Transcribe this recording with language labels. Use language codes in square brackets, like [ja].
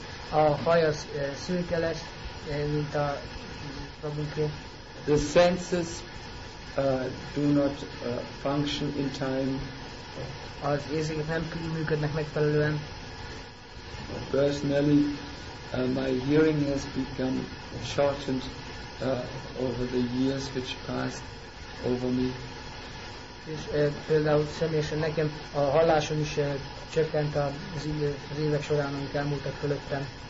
[hu] A haj az szürke lesz, mint a Prabhuké. [en] The senses do not function in time. [hu] Az érzéket nem működnek megfelelően. [en] Personally, my hearing has become shortened over the years which passed over me. [hu] És például személyesen nekem a hallásom is csökkent az évek során, amik elmúltak fölöttem.